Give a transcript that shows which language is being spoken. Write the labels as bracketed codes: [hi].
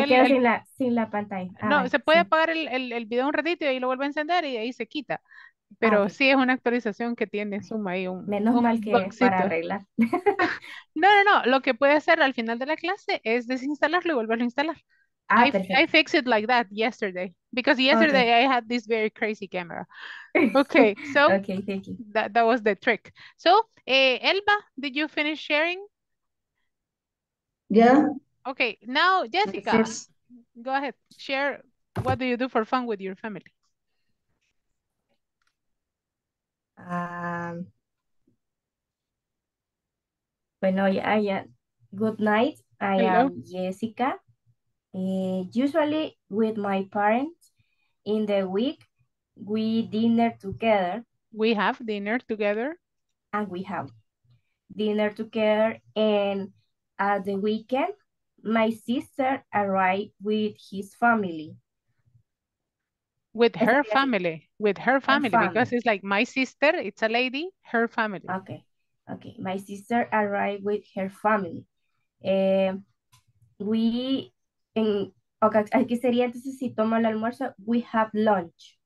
[es] Me quedo sin la pantalla. Se puede apagar el video un ratito y ahí lo vuelve a encender y ahí se quita. Pero sí, es una actualización que tiene Zoom ahí. Menos mal que es para arreglar. No. Lo que puede hacer al final de la clase es desinstalarlo y volverlo a instalar. Ah, perfecto. [en] I fixed it like that yesterday. Because yesterday I had this very crazy camera. Okay, so okay, thank you. That was the trick. So, Elba, did you finish sharing? Yeah. Okay, now Jessica, okay, first, go ahead. Share what do you do for fun with your family? Good night. Hello. I am Jessica. Usually with my parents in the week, we dinner together. We have dinner together. And we have dinner together. And at the weekend, my sister arrived with his family. With her family. With her family. Because it's like my sister, it's a lady, her family. Okay. My sister arrived with her family. [es] Aquí sería entonces si tomo el almuerzo, we have lunch.